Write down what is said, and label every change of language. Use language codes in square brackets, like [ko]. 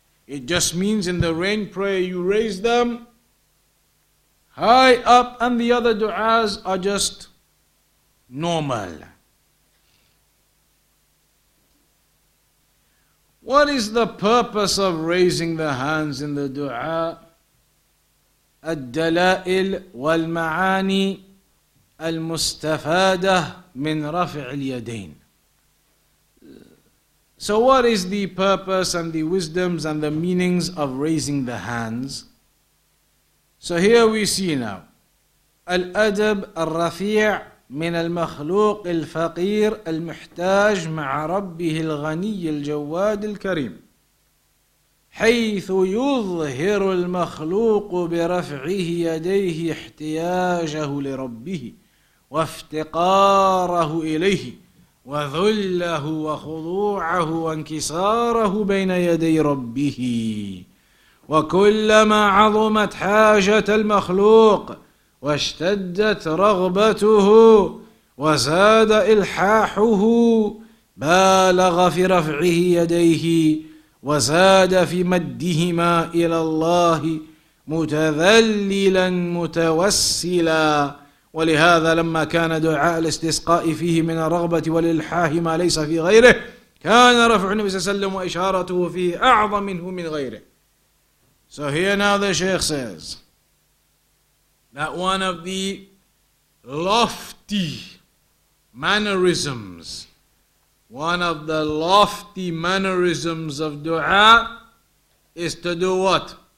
[en] It just means in the rain prayer you raise them high up, and the other du'as are just normal. What is the purpose of raising the hands in the du'a? [ar] الدلائل والمعاني المستفادة من رفع اليدين. [en] So what is the purpose and the wisdoms and the meanings of raising the hands? So here we see now. [ar] الأدب الرفيع من المخلوق الفقير المحتاج مع ربه الغني الجواد الكريم حيث يظهر المخلوق برفعه يديه احتياجه لربه وافتقاره إليه وذله وخضوعه وانكساره بين يدي ربه وكلما عظمت حاجة المخلوق واشتدت رغبته وزاد إلحاحه بالغ في رفعه يديه وزاد في مدهما إلى الله متذللا متوسلا ولهذا لما كان دعاء الاستسقاء فيه من الرغبة والإلحاح ما ليس في غيره كان رفع النبي صلى الله عليه وسلم وإشارته فيه أعظم منه من غيره. [en] So here now the Sheikh says that one of the lofty mannerisms, one of the lofty mannerisms of dua is to do what?